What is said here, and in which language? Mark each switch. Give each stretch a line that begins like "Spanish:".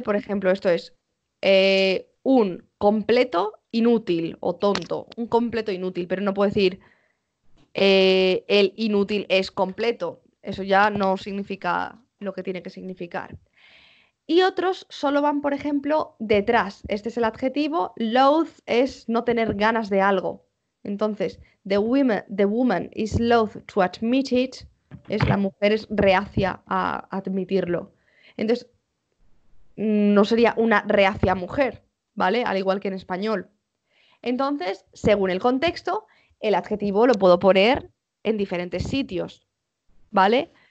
Spanish: Por ejemplo, esto es un completo inútil o tonto, un completo inútil, pero no puedo decir... el inútil es completo. Eso ya no significa lo que tiene que significar. Y otros solo van, por ejemplo, detrás. Este es el adjetivo. Loathe es no tener ganas de algo.
English: Entonces, the woman is loath to admit it.
Spanish: Es la mujer es reacia a admitirlo. Entonces, no sería una reacia mujer, ¿vale? Al igual que en español. Entonces, según el contexto... el adjetivo lo puedo poner en diferentes sitios, ¿vale?